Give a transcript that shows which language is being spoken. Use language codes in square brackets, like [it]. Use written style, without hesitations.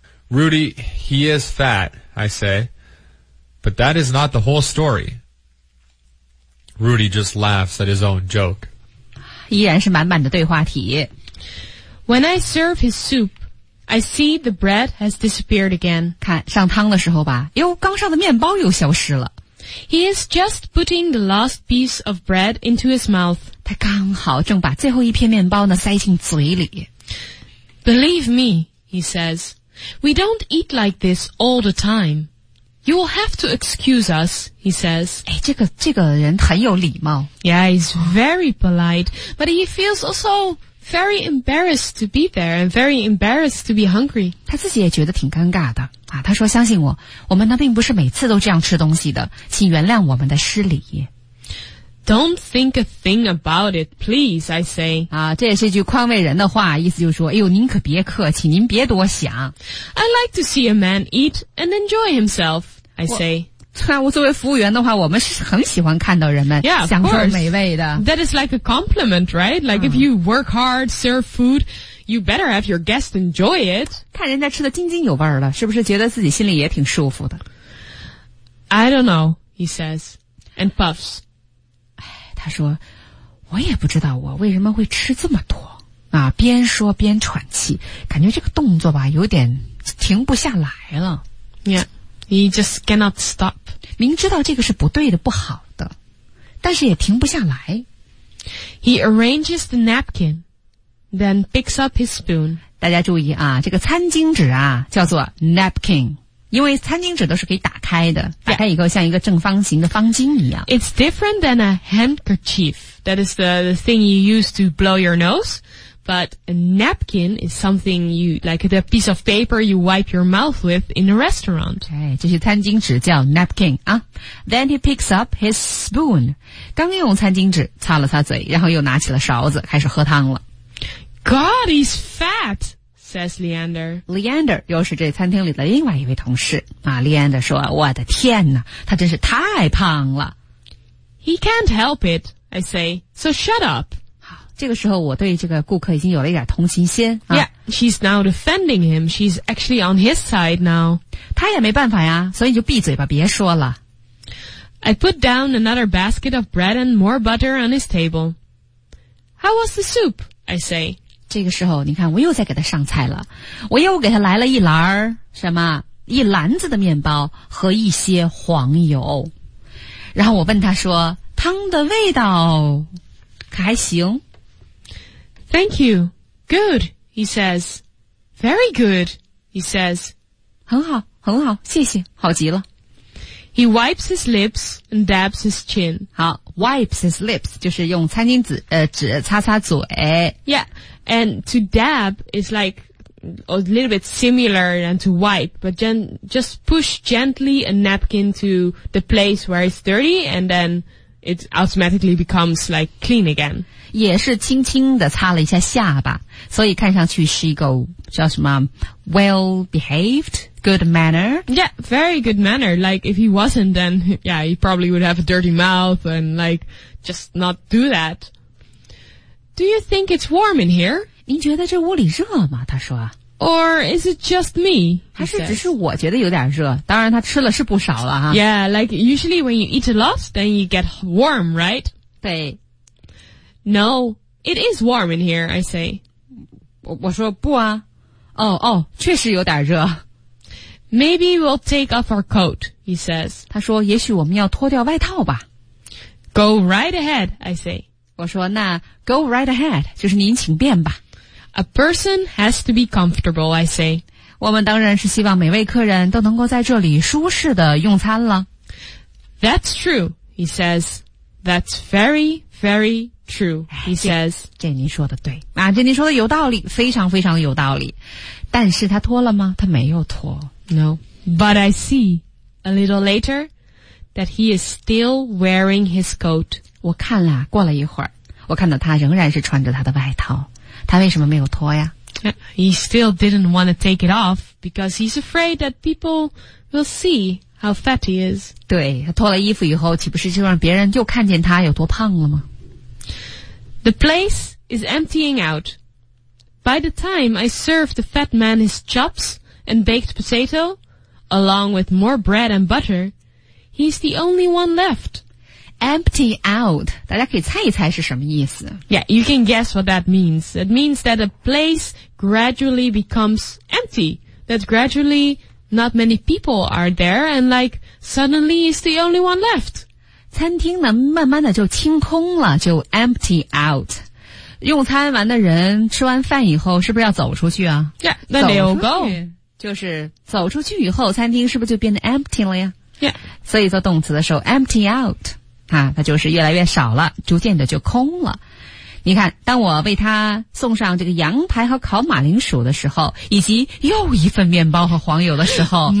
[en] Rudy, he is fat, I say. But that is not the whole story. Rudy just laughs at his own joke. [zh] 依然是满满的对话题。 [en] When I serve his soup, I see the bread has disappeared again. [zh] 看上汤的时候吧，哟，刚上的面包又消失了。 [en] He is just putting the last piece of bread into his mouth. [zh] 他刚好正把最后一片面包呢塞进嘴里。 [en] Believe me, he says, we don't eat like this all the time. You will have to excuse us, he says. [zh] 哎，这个人很有礼貌。 [en] Yeah, he's very polite, but he feels also very embarrassed to be there and very embarrassed to be hungry. [zh] 他自己也觉得挺尴尬的。啊，他说相信我，我们呢并不是每次都这样吃东西的，请原谅我们的失礼。 [en] Don't think a thing about it, please, I say. [zh] 啊，这也是一句宽慰人的话，意思就是说，哎呦，您可别客气，您别多想。 [en] I like to see a man eat and enjoy himself, I say. [zh] 对啊，我作为服务员的话，我们是很喜欢看到人们享受美味的。 [en] That is like a compliment, right? Like if you work hard, serve food, you better have your guests enjoy it. [zh] 看人家吃得津津有味了，是不是觉得自己心里也挺舒服的？ [en] I don't know, he says, and puffs. [zh] 他说我也不知道我为什么会吃这么多啊，边说边喘气，感觉这个动作吧有点停不下来了。 [en] Yeah, he just cannot stop. [zh] 明知道这个是不对的，不好的，但是也停不下来。 [en] He arranges the napkin, then picks up his spoon. [zh] 大家注意啊，这个餐巾纸啊叫做 napkin，因为餐巾纸都是可以打开的，打开以后像一个正方形的方巾一样。 [en] It's different than a handkerchief. That is the thing you use to blow your nose. But a napkin is something you, like the piece of paper you wipe your mouth with in a restaurant. [zh] 哎，这些餐巾纸叫 napkin 啊。 [en] Then he picks up his spoon. [zh] 刚用餐巾纸擦了擦嘴，然后又拿起了勺子，开始喝汤了。 [en] God, he's fat! says Leander. [zh] Leander 又是这餐厅里的另外一位同事。啊 ,Leander 说我的天哪，他真是太胖了。 [en] He can't help it, I say, so shut up. [zh] 好，这个时候我对这个顾客已经有了一点同情心。 [en] Yeah, she's now defending him. She's actually on his side now. [zh] 他也没办法呀，所以就闭嘴吧，别说了。 [en] I put down another basket of bread and more butter on his table. How was the soup? I say. [zh] 这个时候你看我又在给他上菜了。我又给他来了一篮什么一篮子的面包和一些黄油。然后我问他说汤的味道可还行。 [en] Thank you. Good, he says. Very good, he says. [zh] 很好很好谢谢好极了。 [en] He wipes his lips and dabs his chin. [zh] 好 , [en] wipes his lips, [zh] 就是用餐巾纸纸擦擦嘴。 [en] Yeah, and to dab is like a little bit similar than to wipe, but just push gently a napkin to the place where it's dirty and then it automatically becomes like clean again. [zh] 也是轻轻地擦了一下下巴，所以看上去是一个叫什么 [en] well behaved, good manner. Yeah, very good manner. Like if he wasn't, then yeah, he probably would have a dirty mouth and like just not do that. Do you think it's warm in here? [zh] 您觉得这屋里热吗？他说。 [en] Or is it just me? [zh] 还是只是我觉得有点热？当然他吃了是不少了哈。 [en] Yeah, like usually when you eat a lot, then you get warm, right? [zh] 对。 [en] No, it is warm in here, I say. [zh] 我说不啊。哦确实有点热。 [en] Maybe we'll take off our coat, he says. [zh] 他说也许我们要脱掉外套吧。 [en] Go right ahead, I say. [zh] 我说那 [en] go right ahead, [zh] 就是您请便吧。 [en] A person has to be comfortable, I say. [zh] 我们当然是希望每位客人都能够在这里舒适的用餐了。 [en] That's true, he says. That's very, very,True, he says. [zh] 这您说的对。啊这您说的有道理非常非常的有道理。但是他脱了吗他没有脱。 [en] No. But I see, a little later, that he is still wearing his coat. [zh] 我看了过了一会儿我看到他仍然是穿着他的外套。他为什么没有脱呀 [en] ?He still didn't want to take it off because he's afraid that people will see how fat he is. [zh] 对他脱了衣服以后岂不是就让别人就看见他有多胖了吗 [en] The place is emptying out. By the time I serve the fat man his chops and baked potato, along with more bread and butter, he's the only one left. Empty out. [zh] 大家可以猜一猜是什么意思。 [en] Yeah, you can guess what that means. It means that a place gradually becomes empty. That gradually not many people are there and like suddenly he's the only one left. [zh] 餐厅呢慢慢的就清空了就 [en] empty out [zh] 用餐完的人吃完饭以后是不是要走出去啊 [en] Yeah, then they'll go [zh] 就是走出去以后餐厅是不是就变得 empty 了呀 [en] Yeah [zh] 所以做动词的时候 [en] empty out [zh] 啊，它就是越来越少了逐渐的就空了你看当我为他送上这个羊排和烤马铃薯的时候以及又一份面包和黄油的时候